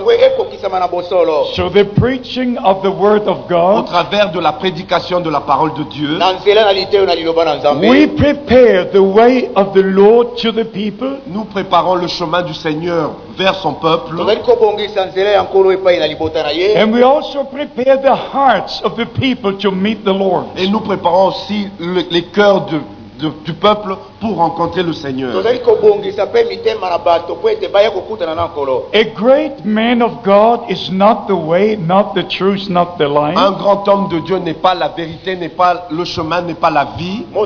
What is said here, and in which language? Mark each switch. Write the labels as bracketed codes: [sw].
[en] So the preaching of the word of God, [fr] au travers de la prédication de la parole de Dieu, [en] we prepare the way of the Lord to the people, [fr] nous préparons le chemin du Seigneur vers son peuple, [en] and we also prepare the hearts of the people to meet the Lord. [fr] Et nous préparons aussi les cœurs du peuple pour rencontrer le Seigneur. [en] A great man of God is not the way, not the truth, not the life. [fr] Un grand homme de Dieu n'est pas la vérité, n'est pas le chemin, n'est pas la vie.